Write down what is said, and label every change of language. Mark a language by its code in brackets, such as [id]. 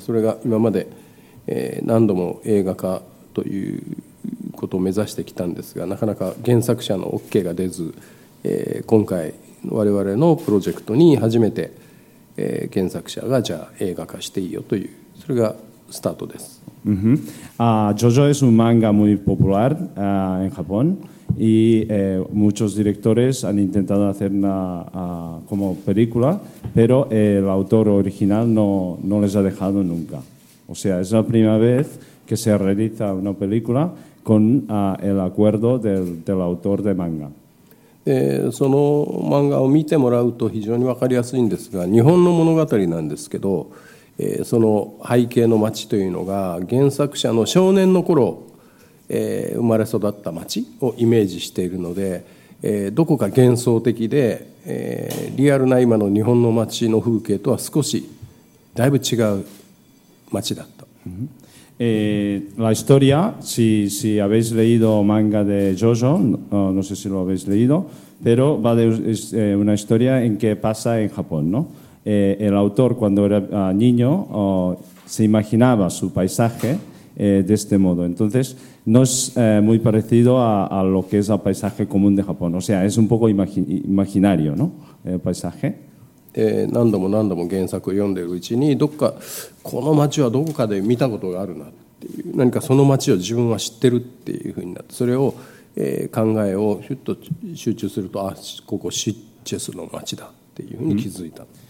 [ja] それが今まで、何度も映画化ということを目指してきたんですが、なかなか原作者の OK が出ず、今回我々のプロジェクトに初めて、原作者がじゃあ映画化していいよという、それがスタートです。 [es] Jojo es un manga muy popular en Japón y muchos directores han intentado hacer una como película, pero el autor original no les ha dejado nunca. O sea, es la primera vez que se realiza una película con el acuerdo del autor de manga. [ja] その漫画を見てもらうと非常に分かりやすいんですが、日本の物語なんですけど、その背景の町というのが原作者の少年の頃、生まれ育った町をイメージしているので、どこか幻想的で、リアルな今の日本の町の風景とは少しだいぶ違う町だった。うん、 [es] La historia, si habéis leído manga de Jojo, no sé si lo habéis leído, pero va de, es una historia en que pasa en Japón, ¿no? El autor, cuando era niño, se imaginaba su paisaje de este modo. Entonces, no es muy parecido a lo que es el paisaje común de Japón. O sea, es un poco imaginario, ¿no? El paisaje. [ja] 何度も何度も原作を読んでいるうちに、どっかこの街はどこかで見たことがあるなっていう、何かその街を自分は知ってるっていうふうになって、それを考えをひゅっと集中すると、あ、ここシッチェスの街だっていうふうに気づいた。